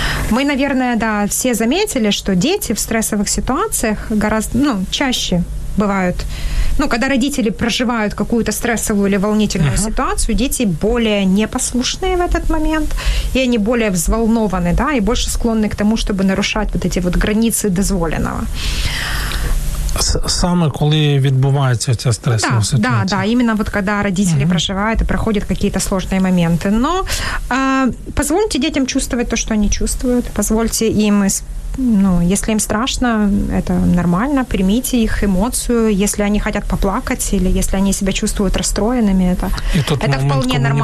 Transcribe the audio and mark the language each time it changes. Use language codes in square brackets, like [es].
[ru] Мы, наверное, все заметили, что дети в стрессовых ситуациях чаще бывают. Когда родители проживают какую-то стрессовую или волнительную ситуацию, дети более непослушные в этот момент, и они более взволнованы, и больше склонны к тому, чтобы нарушать вот эти вот границы дозволенного. [uk] Саме коли відбувається ця стресова ситуація. [ru] Да, именно вот когда родители проживают и проходят какие-то сложные моменты. Но позвольте детям чувствовать то, что они чувствуют, позвольте им если им страшно, это нормально, примите их эмоцию. Если они хотят поплакать или если они себя чувствуют расстроенными, это вполне нормально.